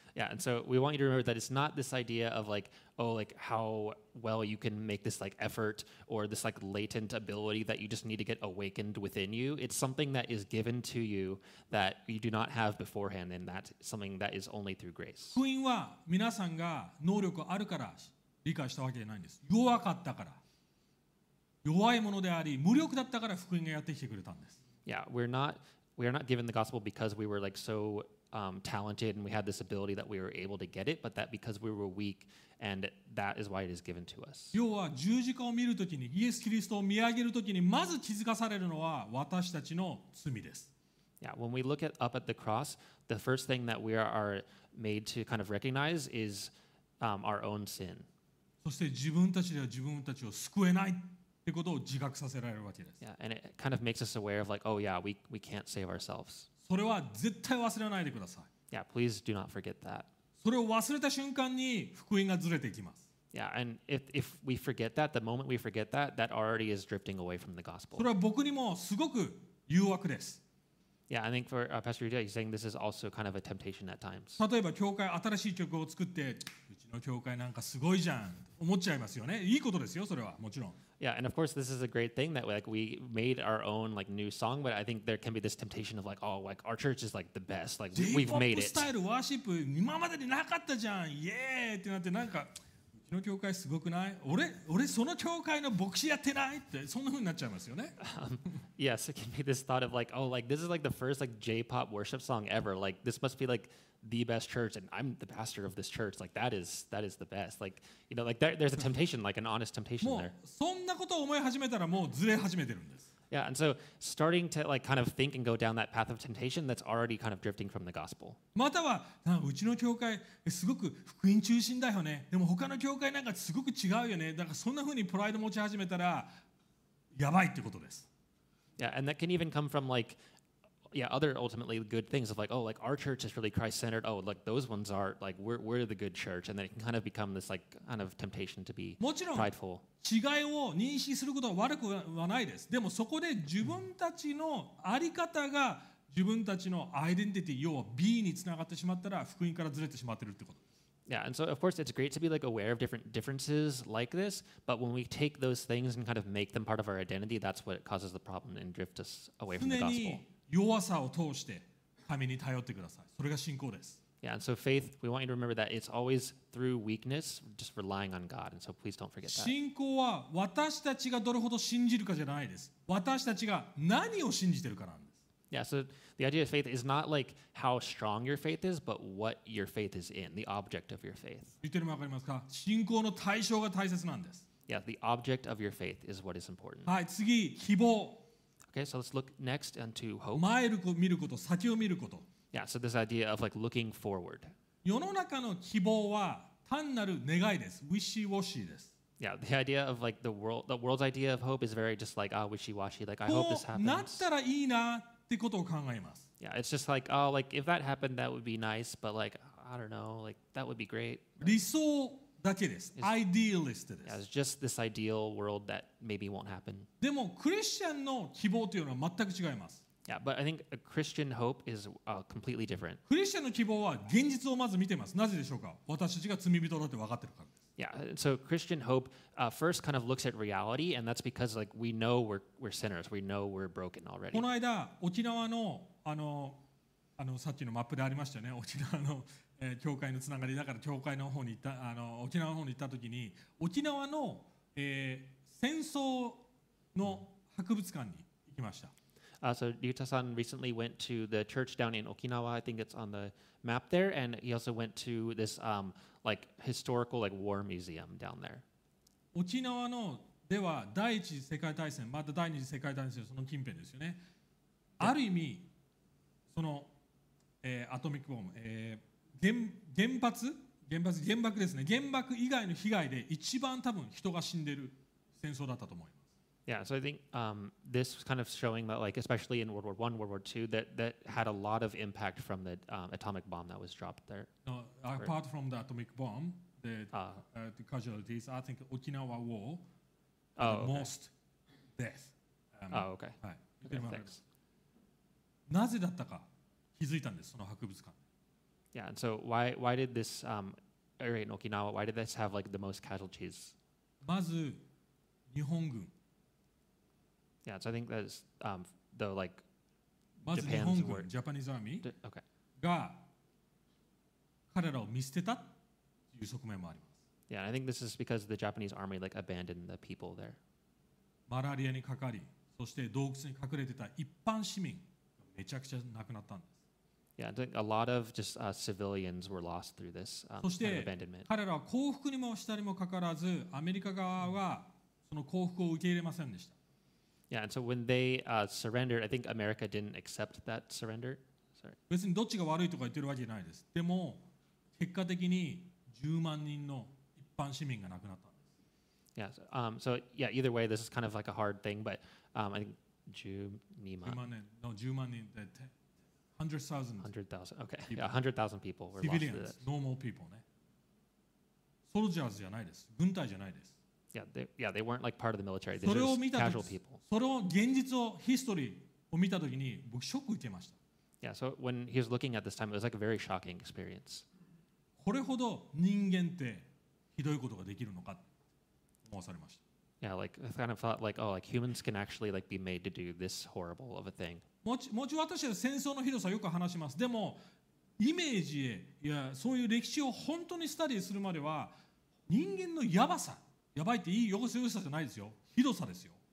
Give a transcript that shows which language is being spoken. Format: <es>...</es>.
<en>Yeah, and so we want you to remember that it's not this idea of like, oh, like how well you can make this like effort or this like latent ability that you just need to get awakened within you. It's something that is given to you that you do not have beforehand, and that's something that is only through grace.</en> <ja>福音は皆さんが能力あるから理解したわけじゃないんです。弱かったから。弱いものであり、無力だったから福音がやってきてくれたんです。</ja> <en>Yeah, we are not given the gospel because we were like so... talented and we had this ability that we were able to get it, but that because we were weak and that is why it is given to us.</en> <ja>要は十字架を見るときに、イエス・キリストを見上げるときに、まず気づかされるのは私たちの罪です。</ja> <en>Yeah, when we look up at the cross, the first thing that we are made to kind of recognize is our own sin.</en> <ja>そして自分たちでは自分たちを救えないってことを自覚させられるわけです。</ja> <en>Yeah, and it kind of makes us aware of like, oh yeah, we can't save ourselves.</en> <ja>それは絶対忘れないでください。</ja> <en>Yeah, please do not forget that.</en> <ja>それを忘れた瞬間に福音がずれていきます。</ja> <en>Yeah, and if we forget that, the moment we forget that, that already is drifting away from the gospel.</en> <ja>それは僕にもすごく誘惑です。</ja> <en>Yeah, I think for Pastor Rita, he's saying this is also kind of a temptation at times.</en> <ja>例えば教会新しい曲を作って、うちの教会なんかすごいじゃん、思っちゃいますよね。いいことですよ、それはもちろん。</ja> <en>Yeah, and of course, this is a great thing that like we made our own like new song. But I think there can be this temptation of like, oh, like our church is like the best. Like we've made it. J-pop style worship,</en> <ja>今までになかったじゃん。 Yeah, ってなってなんかうちの教会すごくない。俺その教会の牧師やってないってそんな風になっちゃいますよね。</ja> <en>Yes, it can be this thought of like, oh, like this is like the first like J-pop worship song ever. Like this must be like. The best church, and I'm the pastor of this church. Like that is the best. Like you know, like there's a temptation, like an honest temptation there.</en> <ja>もうそんなことを思い始めたらもうずれ始めてるんです。</ja> <en>Yeah, and so starting to like kind of think and go down that path of temptation, that's already kind of drifting from the gospel.</en> <ja>またはなうちの教会すごく福音中心だよね。でも他の教会なんかすごく違うよね。だからそんな風にプライド持ち始めたらやばいってことです。</ja> <en>Yeah, and that can even come from like. Yeah, other ultimately good things of like, oh, like our church is really Christ-centered. Oh, like those ones are like we're the good church, and then it can kind of become this like kind of temptation to be prideful.</en> <ja>違いを認識することは悪くはないです。でもそこで自分たちのあり方が自分たちのアイデンティティ要は B につながってしまったら福音からずれてしまってるってこと。</ja> <en>Yeah, and so of course it's great to be like aware of different differences like this, but when we take those things and kind of make them part of our identity, that's what causes the problem and drift us away from the gospel.</en> <ja>弱さを通して神に頼ってください。それが信仰です。</ja> <en>Yeah, and so faith, we want you to remember that it's always through weakness, just relying on God. And so please don't forget that.</en> <ja>信仰は私たちがどれほど信じるかじゃないです。私たちが何を信じてるかなんです。</ja> <en>Yeah, so the idea of faith is not like how strong your faith is, but what your faith is in, the object of your faith.</en> <ja>言ってるのわかりますか？信仰の対象が大切なんです。</ja> <en>Yeah, the object of your faith is what is important.</en> <ja>はい、次、希望。</ja> <en>Okay, so let's look next into hope.</en> <ja>前を見ること、先を見ること。</ja> <en>Yeah, so this idea of like looking forward.</en> <ja>世の中の希望は単なる願いです。</ja> <en>Wishy-washy</en> <ja>です。</ja> <en>Yeah, the idea of like the world's idea of hope is very just like, ah, wishy-washy, like I hope this happens.</en> <ja>なったらいいなってことを考えます。</ja> <en>Yeah, it's just like, oh, like if that happened, that would be nice, but like, I don't know, like that would be great.</en> <ja>理想だけです。</ja> <en>Idealist</en> <ja>です。</ja> <en>Yeah, it's just this ideal world that maybe won't happen.</en> <ja>でも、クリスチャンの希望というのは全く違います。</ja> <en>Yeah, but I think a Christian hope is completely different.</en> <ja>クリスチャンの希望は現実をまず見てます。なぜでしょうか？私たちが罪人だって分かってるからです。</ja> <en>Yeah, so Christian hope first kind of looks at reality, and that's because like we know we're sinners. We know we're broken already.</en> <ja>この間、沖縄のあのさっきのマップでありましたよね。沖縄の教会のつながりだから教会の方に行った沖縄の方に行った時に沖縄の、戦争の博物館に行きました。</ja> <en>So Ryuta-san recently went to the church down in Okinawa. I think it's on the map there. And he also went to this like historical like war museum down there.</en> <ja>Okinawa no では第一次世界大戦、また第二次世界大戦その近辺ですよね。ある意味その、アトミックボム、原爆ですね。原爆以外の被害で一番多分人が死んでる戦争だったと思います。</ja> <en>Yeah, so I think this was kind of showing that, like, especially in World War I, World War II, that had a lot of impact from the atomic bomb that was dropped there. No, apart from the atomic bomb, the casualties, I think Okinawa War, most death. Okay. Thanks.</en> <ja>なぜだったか気づいたんです、その博物館。</ja> <en>Yeah, and so why did this area in Okinawa, why did this have, like, the most casualties?</en> <ja>まず、日本軍。</ja> <en>Yeah, so I think that is the like Japan's word. Japanese army. Okay.</en> <ja>が彼らを見捨てたという側面もあります。</ja> <en>Yeah, I think this is because the Japanese army like abandoned the people there.</en> <ja>マラリアにかかり、そして洞窟に隠れてた一般市民がめちゃくちゃ亡くなったんです。</ja> <en>Yeah, I think a lot of just civilians were lost through this kind of abandonment.</en> <ja>そして彼らは降伏にもしたにもかかわらず、アメリカ側はその降伏を受け入れませんでした。</ja> <en>Yeah, and so when they surrendered, I think America didn't accept that surrender. Sorry.</en> <ja>別にどっちが悪いとか言ってるわけじゃないです。でも結果的に10万人の一般市民が亡くなったんです。</ja> <en>Yeah. So yeah. Either way, this is kind of like a hard thing, but I think</en> <ja>10万人</ja> <en>100,000. Okay. Yeah, 100,000 people were lost. Civilians, normal people,</en> <ja>ね。</ja> <en>Soldiers</en> <ja>じゃないです。軍隊じゃないです。</ja> <en>Yeah, they weren't like part of the military. They're just casual people.</en> <ja>その現実を、history を見たときに、僕、ショック受けました。</ja> <en>Yeah, so when he was looking at this time, it was like a very shocking experience.</en> <ja>これほど人間ってひどいことができるのか、思わされました。</ja> <en>Yeah, like, I kind of thought like, oh, like, humans can actually like be made to do this horrible of a thing.</en> <ja>もち私は戦争のひどさをよく話します。でも、イメージへ、いや、そういう歴史を本当にスタディするまでは、人間のやばさ、やばいっていいよこせよこせじゃないですよ。ひどさですよ。</ja>